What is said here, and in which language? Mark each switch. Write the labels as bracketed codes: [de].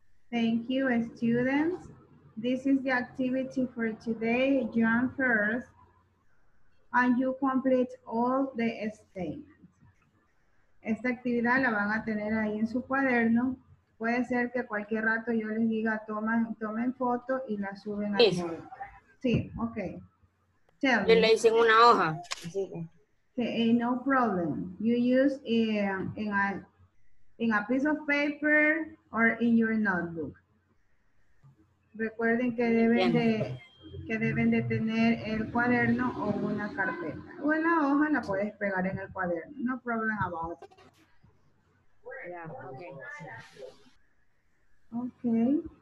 [en] Thank you, students. This is the activity for today. Join first, and you complete all the statements. [es] Esta actividad la van a tener ahí en su cuaderno. Puede ser que cualquier rato yo les diga, tomen foto y la suben a Facebook. Sí, ok. [en] Tell me. [es] Yo le hice una hoja. [en] Sí. Sí, no problem. You use in a piece of paper or in your notebook. [es] Recuerden que deben de tener el cuaderno o una carpeta. O en la hoja la puedes pegar en el cuaderno. [en] No problem about it. Yeah, okay. Okay.